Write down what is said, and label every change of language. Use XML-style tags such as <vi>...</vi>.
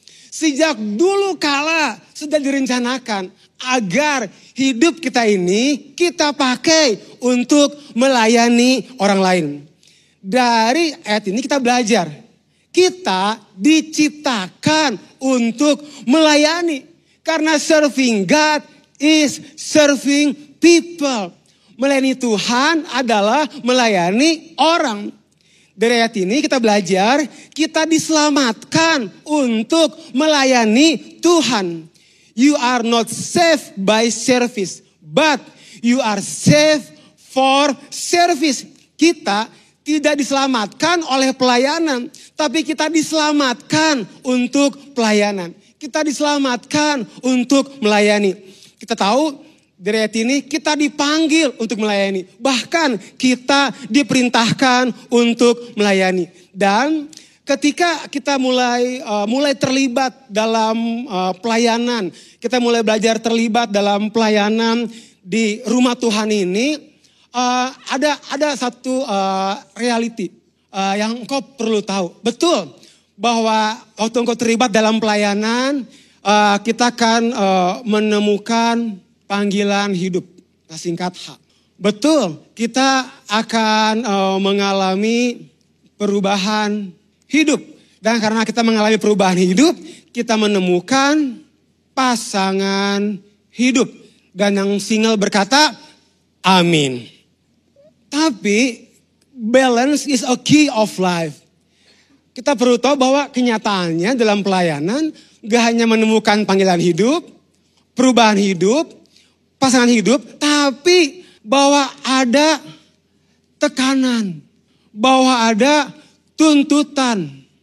<id>Sejak dulu kala sudah direncanakan agar hidup kita ini kita pakai untuk melayani orang lain. Dari ayat ini kita belajar, kita diciptakan untuk melayani.</id> <en>Karena serving God is serving people.</en> <id>Melayani Tuhan adalah melayani orang. Dari ayat ini kita belajar, kita diselamatkan untuk melayani Tuhan.</id> <en>You are not saved by service, but you are saved for service.</en> <id>Kita tidak diselamatkan oleh pelayanan, tapi kita diselamatkan untuk pelayanan. Kita diselamatkan untuk melayani. Kita tahu dari ayat ini kita dipanggil untuk melayani. Bahkan kita diperintahkan untuk melayani. Dan ketika kita mulai terlibat dalam pelayanan, kita mulai belajar terlibat dalam pelayanan di rumah Tuhan ini, ada satu reality yang engkau perlu tahu. Betul bahwa waktu engkau terlibat dalam pelayanan, kita akan menemukan panggilan hidup, singkat H. Betul, kita akan mengalami perubahan hidup. Dan karena kita mengalami perubahan hidup, kita menemukan pasangan hidup. Dan yang single berkata, amin.</id> <en>Tapi, balance is a key of life.</en> <id>Kita perlu tahu bahwa kenyataannya dalam pelayanan, gak hanya menemukan panggilan hidup, perubahan hidup, pasangan hidup, tapi bahwa ada tekanan, bahwa ada tuntutan.</id>